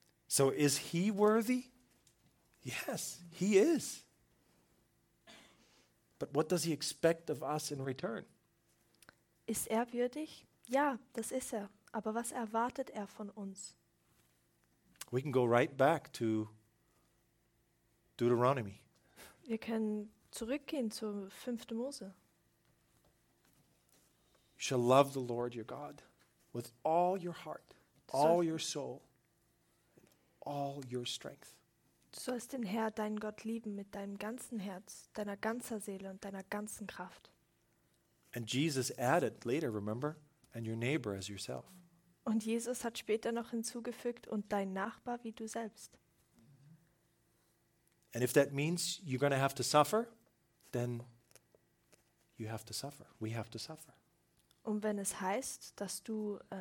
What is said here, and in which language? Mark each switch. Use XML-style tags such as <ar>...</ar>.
<en>So is he worthy? Yes, he is. But what does he expect of us in return?</en> <de>Ist er würdig? Ja, das ist er. Aber was erwartet er von uns?</de> <en>We can go right back to Deuteronomy.</en> <de>Wir können zurückgehen zur 5. Mose.</de> <en>You shall love the Lord your God with all your heart, all your soul, and all your strength.</en> <de>Du sollst den Herr, deinen Gott, lieben mit deinem ganzen Herz, deiner ganzen Seele und deiner ganzen Kraft.</de> <en>And Jesus added later, remember, and your neighbor as yourself.</en> <de>Und Jesus hat später noch hinzugefügt, und dein Nachbar wie du selbst.</de> <en>And if that means you're going to have to suffer, then you have to suffer. We have to suffer.</en> <de>Und wenn es heißt, dass du</de>